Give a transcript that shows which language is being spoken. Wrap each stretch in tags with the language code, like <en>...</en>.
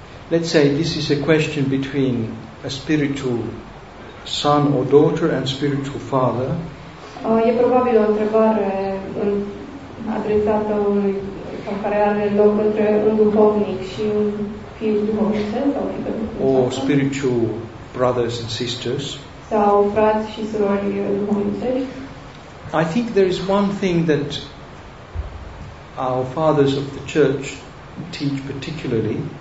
<en>Let's say this is a question between a spiritual son or daughter and spiritual father.</en> <ro>E probabil o întrebare adresată unui sau care are loc între un duhovnic și un fiu duhovnic sau fiică.</ro> <en>Or spiritual brothers and sisters.</en> <ro>Sau frați și surori duhovnicești.</ro> <en>I think there is one thing that our fathers of the church teach particularly.</en>